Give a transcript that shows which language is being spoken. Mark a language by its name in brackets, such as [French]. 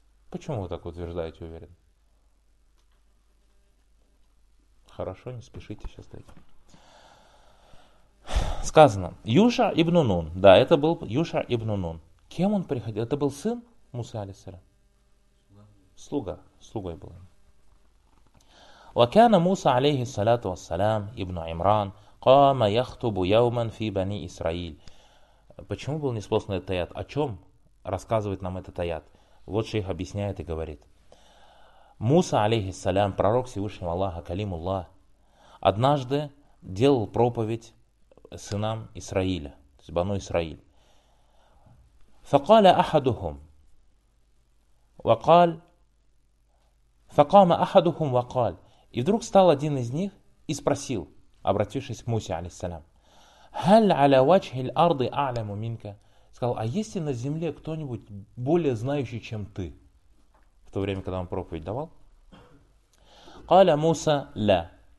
[Russian] Почему вы так утверждаете, уверен? Хорошо, не спешите сейчас дать. Сказано. Юша ибн Нун. Да, это был Юша ибн Нун. Кем он приходил? Это был сын Мусы алейхиссалям? Слуга. Слугой был. [Arabic] وكان موسى عليه الصلاة والسلام ابن عمران قام يخطب يوما في بني إسرائيل. [Russian] Почему был неспослан этот аят? О чем рассказывает нам этот аят? Вот шейх объясняет и говорит. Муса алейхи салям, пророк Всевышнего Аллаха, Калимуллах, однажды делал проповедь сынам Исраиля, то есть Бану Исраиль. [Arabic] فقال أحدهم وقال فقام أحدهم وقال. [Russian] И вдруг стал один из них и спросил, обратившись к Мусе, алейхиссалям, [Arabic] «Хал аля вачхи л-арды а'ляму минка?» [Russian] Сказал, «А есть ли на земле кто-нибудь более знающий, чем ты?» В то время, когда он проповедь давал. [Arabic] «Каля Муса ля».